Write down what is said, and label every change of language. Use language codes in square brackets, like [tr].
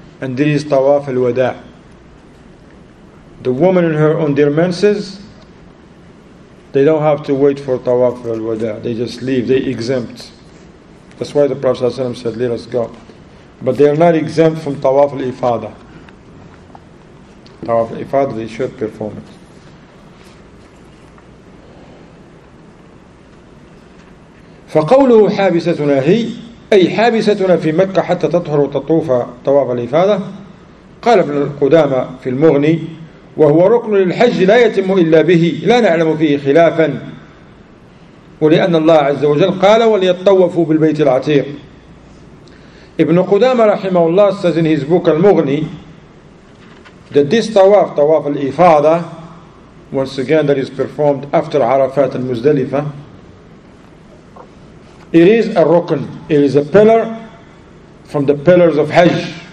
[en] And there is tawaf al-wada. The woman and her on their menses, they don't have to wait for tawaf al-wada. They just leave, they exempt. That's why the Prophet ﷺ said, let us go. But they are not exempt from tawaf al-ifada. Tawaf al-ifada, they should perform it. [ar] فقوله حابستنا هي أي حابستنا في مكة حتى تطهر وتطوف طواف الإفادة. قال ابن القدامى في المغني وهو ركن للحج لا يتم إلا به لا نعلم فيه خلافا ولأن الله عز وجل قال وليطوفوا بالبيت العتيق. [en] ابن قدامى [ar] رحمه الله [en] says in his book المغني that this [ar] طواف طواف الإفادة [en] once again that is performed after عرفات المزدلفة it is a rukn, it is a pillar from the pillars of Hajj.